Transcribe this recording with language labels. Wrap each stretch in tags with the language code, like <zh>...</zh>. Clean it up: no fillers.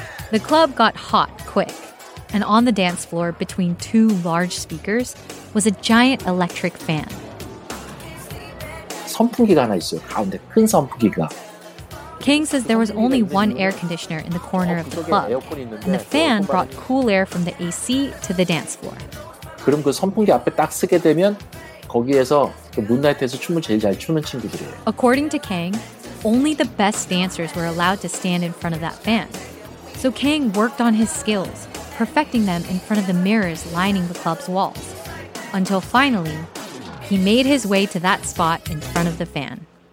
<en>The club got hot quick. And on the dance floor, between two large speakers, was a giant electric fan.</en> <ko>선풍기가 하나 있어요. 가운데 큰 선풍기가.</ko> <en>Kang says there was only one air conditioner in the corner of the club, and the fan brought cool air from the AC to the dance floor.</en> <ko>그럼 그 선풍기 앞에 딱 쓰게 되면 거기에서 그 문나이트에서 춤을 제일 잘 추는 친구들이에요.</ko> <en>According to Kang, only the best dancers were allowed to stand in front of that fan. So Kang worked on his skills, perfecting them in front of the mirrors lining the club's walls. Until finally, he made his way to that spot in front of the fan.</en>